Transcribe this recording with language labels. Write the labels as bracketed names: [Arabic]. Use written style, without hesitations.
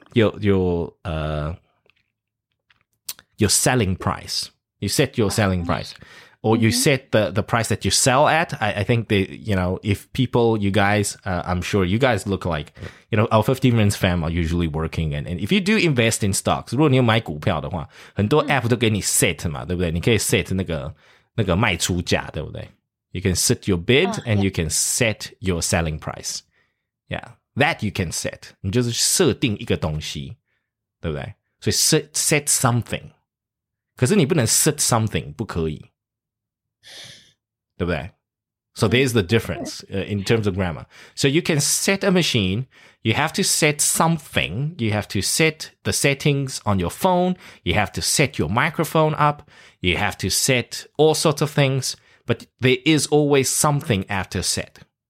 [English] Your selling price. You set your selling price. Or you set the price that you sell at. I think, they, you know, if people, you guys, I'm sure you guys look like, you know, our 15 minutes fam are usually working. And if you do invest in stocks, [Chinese] 如果你有买股票的话，很多 app 都给你 set 嘛，对不对？你可以 set 那个卖出价，对不对？ [English] You can set your bid and you can set your selling price. Yeah. That you can set. [Chinese] 你就是设定一个东西，对不对？所以 set something. 可是你不能 set something, 不可以。对不对？ [English] So there's the difference in terms of grammar. So you can set a machine, you have to set something, you have to set the settings on your phone, you have to set your microphone up, you have to set all sorts of things, but there is always something after set.